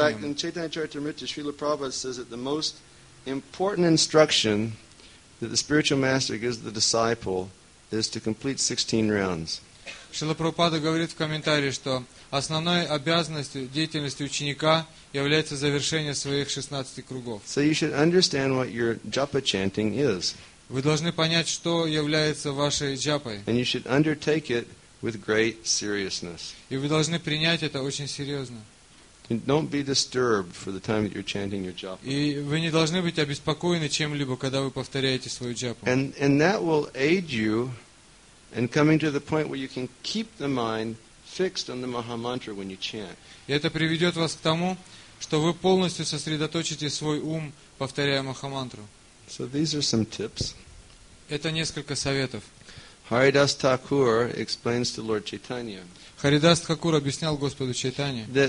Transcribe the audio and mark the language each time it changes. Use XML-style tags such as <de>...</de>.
<en>In fact, in Chaitanya Charitamrita, Srila Prabhupada says that the most important instruction that the spiritual master gives the disciple is to complete 16 rounds.</en> <ru>Шрила Прабхупада говорит в комментарии, что основной обязанностью деятельности ученика является завершение своих 16 кругов.</ru> <en>So you should understand what your japa chanting is.</en> <ru>Вы должны понять, что является вашей джапой.</ru> <en>And you should undertake it with great seriousness.</en> <ru>И вы должны принять это очень серьезно.</ru> <en>And don't be disturbed for the time that you're chanting your japa.</en> <ru>И вы не должны быть обеспокоены чем-либо, когда вы повторяете свою джапу.</ru> <en>And that will aid you in coming to the point where you can keep the mind fixed on the maha mantra when you chant.</en> <ru>И это приведет вас к тому, что вы полностью сосредоточите свой ум, повторяя махамантру.</ru> <en>So these are some tips.</en> <ru>Это несколько советов.</ru> <en>Haridas Thakur explains to Lord Chaitanya.</en> <ru>Харидас Такур объяснял Господу Чайтанье,</ru>